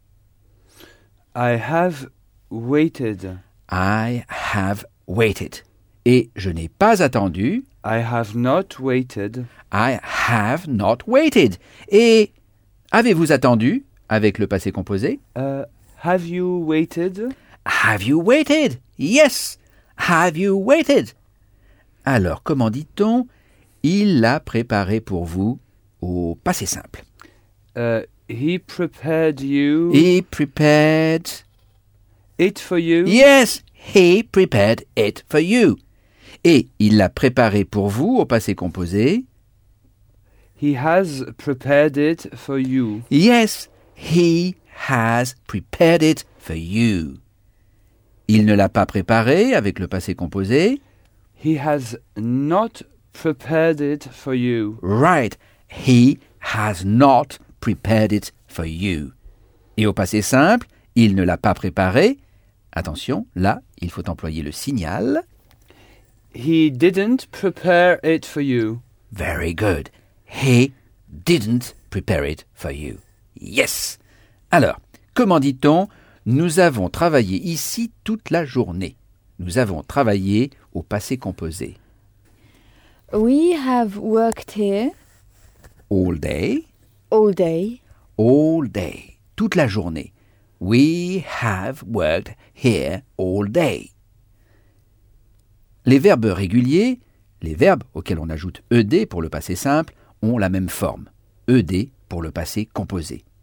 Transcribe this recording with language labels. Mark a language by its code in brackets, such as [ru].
[en] « I have waited ».« I have waited [fr] ». Et « je n'ai pas attendu ».« [en] I have not waited ».« I have not waited ». [fr] Et « avez-vous attendu » avec le passé composé ?« [en] Have you waited ?»« Have you waited ?»« Yes, have you waited ?» [fr] Alors, comment dit-on « il l'a préparé pour vous » au passé simple. [en] He prepared you. He prepared. It for you. Yes, he prepared it for you. [fr] Et il l'a préparé pour vous au passé composé. [en] He has prepared it for you. Yes, he has prepared it for you. [fr] Il ne l'a pas préparé avec le passé composé. [en] He has not prepared it for you. Right. He has not prepared it for you. [fr] Et au passé simple, il ne l'a pas préparé. Attention, là, il faut employer le signal. [en] He didn't prepare it for you. Very good. He didn't prepare it for you. Yes. [fr] Alors, comment dit-on « nous avons travaillé ici toute la journée ». Nous avons travaillé au passé composé. [en] We have worked here. All day. All day. All day. [fr] Toute la journée. [en] We have worked here all day. [fr] Les verbes réguliers, les verbes auxquels on ajoute ed pour le passé simple, ont la même forme. Ed pour le passé composé.